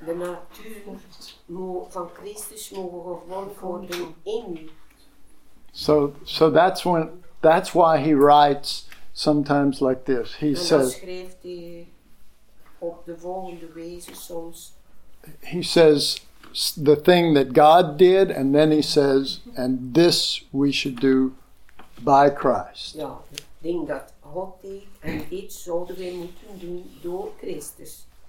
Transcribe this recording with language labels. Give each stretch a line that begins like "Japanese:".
Dutch: De natuur van Christus mogen gevormd worden in je.
English: So that's when, that's why he writes sometimes like this. He says,
Dutch: schrijft hij op de volgende wijze soms.
English: He says the thing that God did, and then he says, and this we should do by Christ.
Dutch: Ja, ding dat God deed, en dit zouden we moeten doen door Christus.